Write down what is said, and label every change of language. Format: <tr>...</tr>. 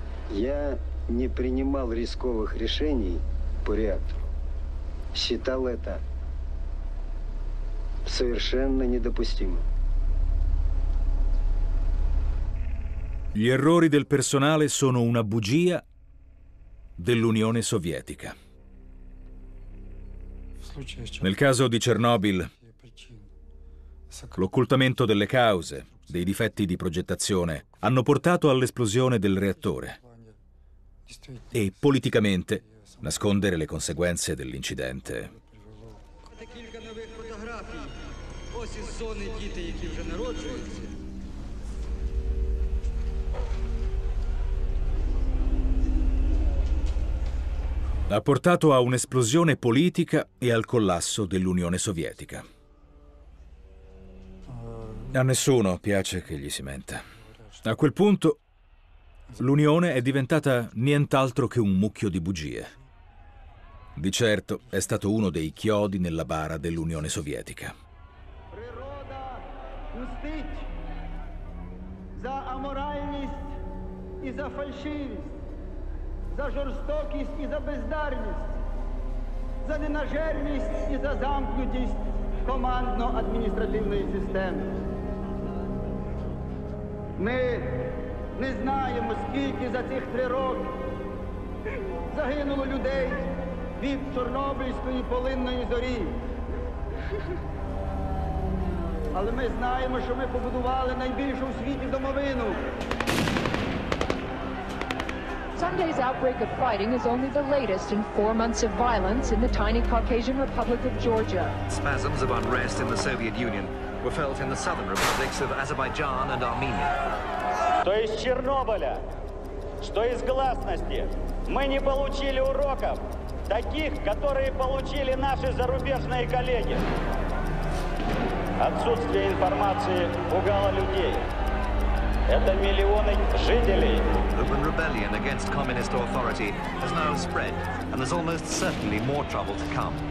<ru>Я не принимал рисковых решений по реактору. Считал это совершенно недопустимым.</ru> <it>Gli errori del personale sono una bugia dell'Unione Sovietica. Nel caso di Chernobyl, l'occultamento delle cause, dei difetti di progettazione, hanno portato all'esplosione del reattore. E politicamente nascondere le conseguenze dell'incidente. Ha portato a un'esplosione politica e al collasso dell'Unione Sovietica. A nessuno piace che gli si menta. A quel punto L'unione è diventata nient'altro che un mucchio di bugie. Di certo è stato uno dei chiodi nella bara dell'Unione Sovietica.</it> <uk>За аморальність і за фальшивість, за жорстокість і за бездарність, за ненажерність і за замкнутість командно-адміністративної системи. Ми не знаємо, скільки за цих три роки загинуло людей від Чорнобильської полинної зорі. Але ми знаємо, що ми побудували найбільшу в світі домовину.</uk> <en>Sunday's outbreak of fighting is only the latest in four months of violence in the tiny Caucasian Republic of Georgia. Spasms of unrest in the Soviet Union were felt in the southern republics of Azerbaijan and Armenia.</en> <uk>Хто із Чорнобиля, хто із гласності, ми не отримали уроків, таких, які отримали наші зарубіжні колеги.</uk> <ru>Отсутствие информации пугало людей. Это миллионы жителей.</ru> <en>The open rebellion against communist authority has now spread, and there's almost certainly more trouble to come.</en>